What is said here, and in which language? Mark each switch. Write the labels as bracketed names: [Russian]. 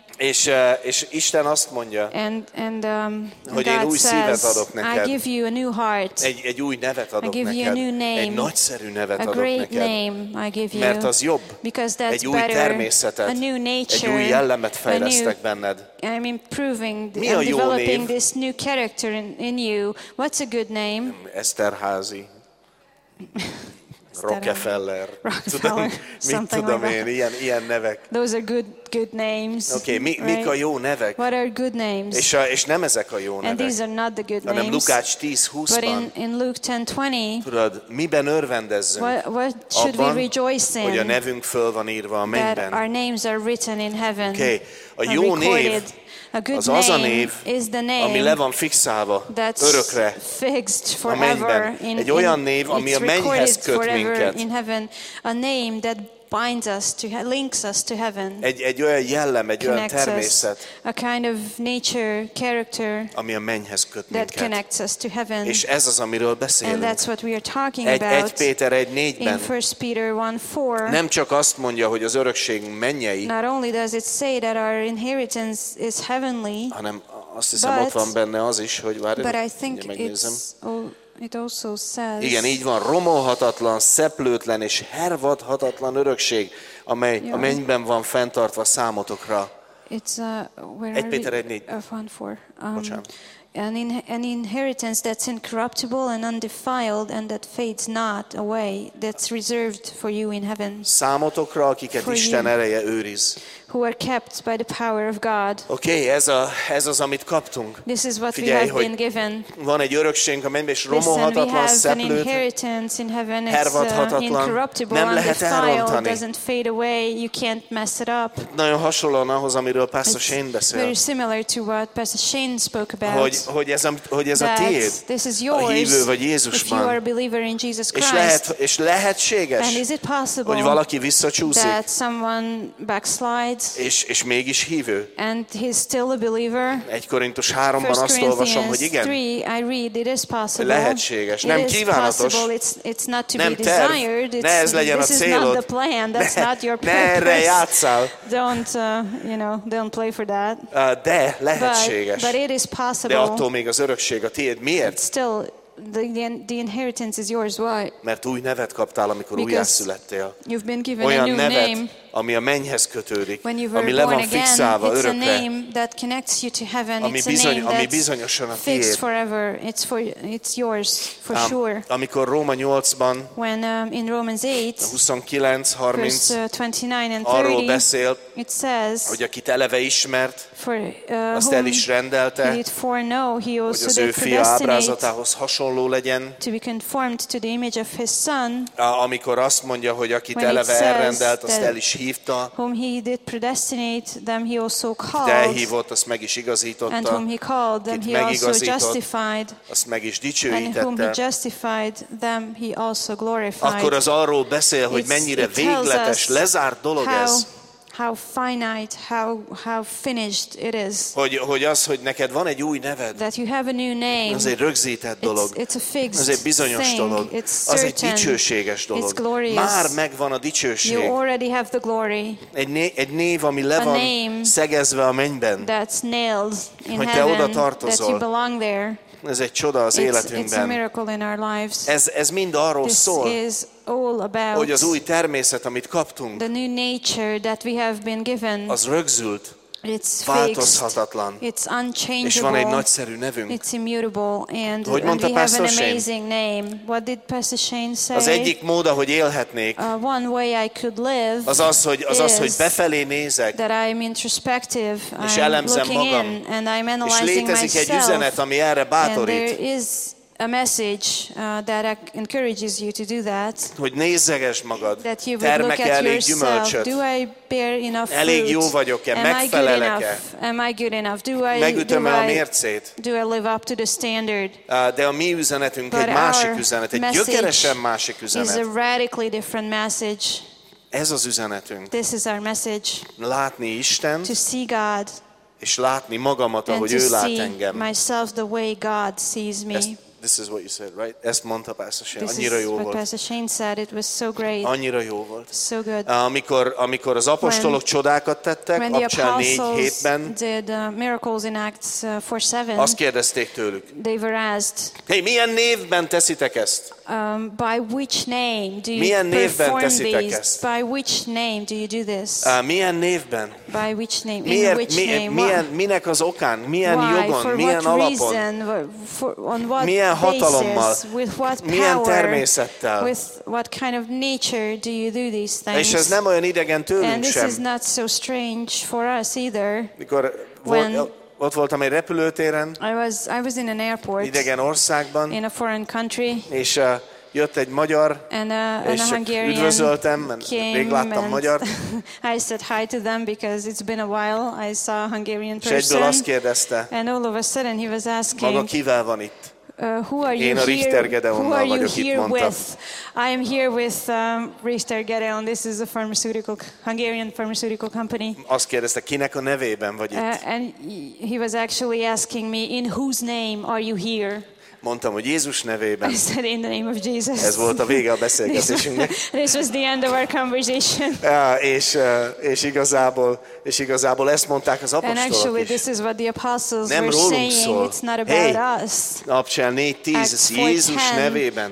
[Hungarian] És Isten azt mondja, hogy én új szívet adok neked. [English] I give you a new heart. [Hungarian] Egy új nevet adok neked. [English] I give you a new name. [Hungarian] Egy nagyszerű nevet adok neked. [English] Name I give you. [Hungarian] Mert az jobb. [English] Because that's [Hungarian] egy új természetet. [English] A new nature. [Hungarian] Egy új jellemet fejlesztek benned. [English] I'm improving and developing this new character in you. What's a good name? Eszterházy. Rockefeller. Rockefeller. [Hungarian] Tudom, mit tudom [English] like [Hungarian] én, ilyen nevek. [English] Those are good names. Okay, right? [Hungarian] Mik a jó nevek? [English] What are good names? [Hungarian] És nem ezek a jó [English] and [Hungarian] nevek. [English] And these are not the good names. [Hungarian] Hanem Lukács 10:20-ban. [English] But in Luke 10:20. [Hungarian] Tudod, miben örvendezzünk? [English] What should [Hungarian] abban, [English] we rejoice in? [Hungarian] Hogy a nevünk föl van írva a mennyben. [English] That our names are written in heaven. [Hungarian] Okay, a jó név. [English] A good [Hungarian] az az a név, [English] is the name [Hungarian] ami le van fixálva örökre [English] fixed forever [Hungarian] a mennyben. Egy olyan név, ami a mennyhez köt minket. [English] In heaven, a name that binds us to links us to heaven. [Hungarian] Egy olyan jellem, egy olyan természet. [English] A kind of nature, character [Hungarian] ami a mennyhez köt minket. [English] That connects us to heaven. [Hungarian] És ez az, amiről beszélünk. [English] And that's what we are talking about. [Hungarian] 1 Péter 1:4-ben. [English] In 1 Peter 1:4. [Hungarian] Nem csak azt mondja, hogy az örökségünk mennyei. [English] Not only does it say that our inheritance is heavenly. [Hungarian] Hanem azt hiszem, ott van benne az is, hogy várj, [English] but I think it also says, [Hungarian] igen, így van, romolhatatlan, szeplőtlen és hervadhatatlan örökség, amely a mennyben van fenntartva számotokra. [English] It's where [Hungarian] 1 Péter 1:4. [English] An inheritance that's incorruptible and undefiled and that fades not away, that's reserved for you in heaven. [Hungarian] Számotokra, akiket [English] for [Hungarian] Isten ereje őriz. [English] Who are kept by the power of God. [Hungarian] Okay, ez az, amit kaptunk. [English] This is what [Hungarian] figyelj, [English] we have been given. [Hungarian] Van egy örökségünk a mennyben, és romolhatatlan, szeplőtlen, [English] inheritance in heaven. [Hungarian] Hervadhatatlan. Nem lehet elrontani. [English] Doesn't fade away. You can't mess it up. [Hungarian] Nagyon hasonlóan ahhoz, amiről Pastor Shane beszél. [English] Very similar to what Pastor Shane spoke about. [Hungarian] Hogy ez a tiéd. [English] This is yours. [Hungarian] A hívő vagy Jézusban. [English] If you are a believer in Jesus Christ. [Hungarian] És lehetséges. [English] And is it possible? [Hungarian] Hogy valaki visszacsúszik. [English] That someone backslides. [Hungarian] És mégis hívő. [English] And he's still a believer. [Hungarian] 1 Korintus 3-ban azt olvasom, hogy igen. [English] 3, I read, it is possible. [Hungarian] Lehetséges, [English] it [Hungarian] nem kívánatos. [English] It's not to [Hungarian] nem [English] be desired. [Hungarian] Ne ez legyen [English] this [Hungarian] a célod. [English] Is not the plan. That's [Hungarian] ne, [English] not your purpose. [Hungarian] Ne erre játszál. [English] Don't play for that. [Hungarian] De lehetséges. [English] But it is possible. [Hungarian] De attól még az örökség a tiéd. Miért? [English] It's still the inheritance is yours. Why? [Hungarian] Mert új nevet kaptál, amikor újjászülettél. [English] You've been given [Hungarian] olyan [English] a new [Hungarian] nevet, [English] name. [Hungarian] Ami a mennyhez kötődik, [English] when you were [Hungarian] ami le van fixálva [English] again, [Hungarian] örökre, [English] a name that connects you to heaven. [Hungarian] Ami bizony, ami bizonyosan a tiéd. [English] Fixed forever. It's for it's yours for sure. [Hungarian] Amikor Róma 8-ban, [English] when in Romans 8, [Hungarian] 29-30, [English] verse 29 and 30, [Hungarian] arról beszél, [English] it says, [Hungarian] hogy akit eleve ismert, [English] for, [Hungarian] azt el is rendelte, [English] he did foreknow, he also [Hungarian] hogy az ő fia ábrázatához hasonló hasonló legyen. [English] To be conformed to the image of his son. [Hungarian] Amikor azt mondja, hogy akit eleve elrendelt, azt el is hívta. [English] Whom he did predestinate, them he also called. [Hungarian] Elhívott, azt meg is igazította. [English] And whom he called, them he also justified. [Hungarian] Azt meg is dicsőítette. [English] And whom he justified, them he also glorified. [Hungarian] Akkor az arról beszél, hogy mennyire végletes, lezárt dolog ez. [English] How finite, how finished it is. [Hungarian] Hogy az, hogy neked van egy új neved. [English] That you have a new name. [Hungarian] Az egy rögzített dolog. [English] It's a fixed [Hungarian] az egy bizonyos [English] thing. [Hungarian] Dolog. [English] It's [Hungarian] az egy dicsőséges dolog. [English] It's glorious. [Hungarian] Már megvan a dicsőség. [English] You already have the glory. [Hungarian] Egy név, ami le van szegezve a mennyben. [English] That's nailed in [Hungarian] hogy [English] heaven, [Hungarian] te oda tartozol. [English] That you belong there. [Hungarian] Ez egy csoda az életünkben. [English] It's a miracle in our lives. [Hungarian] Ez mind arról [English] this [Hungarian] szól. [English] Is all about [Hungarian] hogy az új természet, amit kaptunk, [English] the new nature that we have been given, [Hungarian] az rögzült, [English] it's [Hungarian] változhatatlan, [English] fixed, it's unchangeable, [Hungarian] és van egy nagyszerű nevünk. [English] It's immutable, and [Hungarian] hogy mondta Pastor Shane? [English] An amazing name. What did Pastor Shane say? [Hungarian] Az egyik mód, ahogy élhetnék, [English] one way I could live, [Hungarian] az az, hogy befelé nézek, [English] that I'm introspective, [Hungarian] és elemzem [English] looking [Hungarian] magam, [English] in, and I'm analyzing [Hungarian] és létezik [English] myself, [Hungarian] egy üzenet, ami erre bátorít. [English] And there is a message that encourages you to do that. [Hungarian] Hogy nézzeges magad. [English] That you would look at [Hungarian] elég [English] yourself. Do I bear enough fruit? [Hungarian] Elég jó vagyok-e? Megfelelek-e? [English] Am I good enough? Do I [Hungarian] megütöm-e a mércét? [English] Do I live up to the standard? [Hungarian] De a mi üzenetünk [English] but [Hungarian] egy másik üzenet, egy gyökeresen másik üzenet. [English] Is a radically different message. [Hungarian] Ez az üzenetünk. [English] This is our message. [Hungarian] Látni Istent. [English] To see God. [Hungarian] És látni magamat, ahogy ő lát engem. [English] And to see myself the way God sees me. This is what you said, right? [Hungarian] Ezt mondta Pastor Shane. Annyira jó volt. [English] Pastor Shane said it was so great. [Hungarian] Annyira jó volt. [English] So good. [Hungarian] Amikor az apostolok csodákat tettek, Apcsel 4:7-ben, [English] did miracles in Acts 4:7. [Hungarian] Azt kérdezték tőlük. [English] They were asked. [Hungarian] Hey, milyen névben teszitek ezt? [English] By which name do you [Hungarian] milyen [English] perform these? By which name do you do this? [Hungarian] Milyen névben? [English] By which name? [Hungarian] Miért, [English] in which name? [Hungarian] Milyen, minek az okán? Milyen [English] why? [Hungarian] Jogon? [English] For [Hungarian] milyen [English] what [Hungarian] alapon? [English] Reason? For, on what [Hungarian] milyen hatalommal? [English] Basis? With what power? [Hungarian] Milyen természettel? [English] With what kind of nature do you do these things? [Hungarian] És ez nem olyan idegen tőlünk [English] and this [Hungarian] sem. [English] Is not so strange for us either. [Hungarian] Mikor [English] when [Hungarian] ott voltam egy repülőtéren. [English] I was in an airport. [Hungarian] Idegen országban. [English] In a foreign country. [Hungarian] És jött egy magyar. [English] And [Hungarian] és [English] a Hungarian [Hungarian] üdvözöltem, rég láttam magyart. [English] I said hi to them because it's been a while. I saw a Hungarian person. [Hungarian] És egyből azt kérdezte. [English] And all of a sudden he was asking. [Hungarian] Maga kivel van itt? [English] Who are you [Hungarian] én a Richter Gedeonnal [English] who are you [Hungarian] vagyok [English] here [Hungarian] itt, [English] with? I am here with Richter Gedeon. This is a pharmaceutical, Hungarian pharmaceutical company. [Hungarian] Azt kérdezte, kinek a nevében vagy itt? [English] And he was actually asking me, in whose name are you here? [Hungarian] Mondtam, hogy Jézus nevében. [English] I said, in the name of Jesus. [Hungarian] Ez volt a vége a beszélgetésünknek. [English] This was the end of our conversation. [Hungarian] És igazából ezt mondták az apostolok [English] is. And actually, [Hungarian] is. [English] This is what the apostles [Hungarian] nem [English] were saying. [Hungarian] Szól. [English] It's not about hey, us. [Hungarian] Apcsel 4:10, ez Jézus 10, nevében